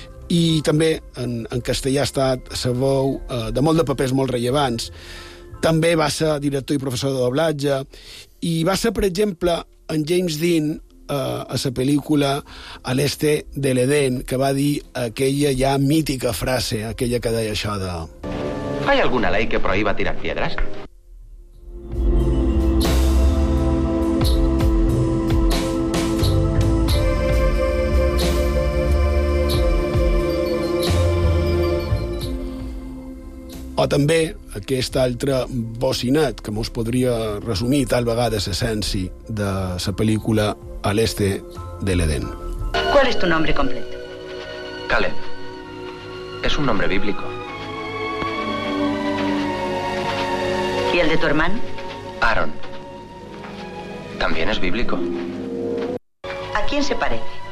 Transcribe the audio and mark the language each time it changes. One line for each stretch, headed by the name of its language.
Catalan: I també en castellà ha estat la veu de molt de papers molt rellevants. També va ser director i professor de doblatge. I va ser, per exemple, en James Dean a la pel·lícula A l'este de l'Edén, que va dir aquella ja mítica frase, aquella que deia això de...
Spanish: ¿Hay alguna ley que prohíba tirar piedras?
Catalan: O també aquest altre bocinet, que mos podria resumir tal vegada l'essència de la pel·lícula A l'este de l'Edén.
Spanish: ¿Cuál es tu nombre completo? Caleb. Es un nombre bíblico. ¿Y el de tu hermano? Aaron. También es bíblico. ¿A quién se parece?